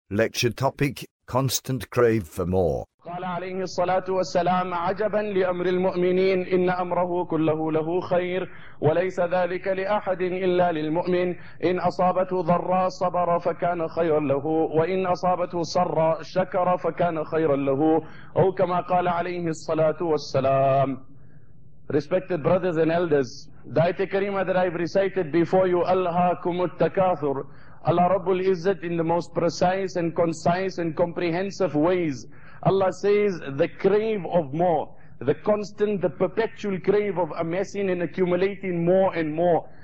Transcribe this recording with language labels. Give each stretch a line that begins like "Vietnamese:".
English: Lecture topic, constant crave for more.
Arabic: قال عليه الصلاة والسلام عجبا لأمر المؤمنين إن أمره كله له خير وليس ذلك لأحد إلا للمؤمن إن أصابته ضراء صبر فكان خيرا له وإن أصابته سراء شكر فكان خيرا له أو كما قال عليه الصلاة والسلام.
English: Respected brothers and elders, the ayat al-kareema that I've recited before you,
Arabic: ألهاكم التكاثر.
English: Allah Rabbul Izzat in the most precise and concise and comprehensive ways, Allah says the crave of more, the constant, the perpetual crave of amassing and accumulating more and more.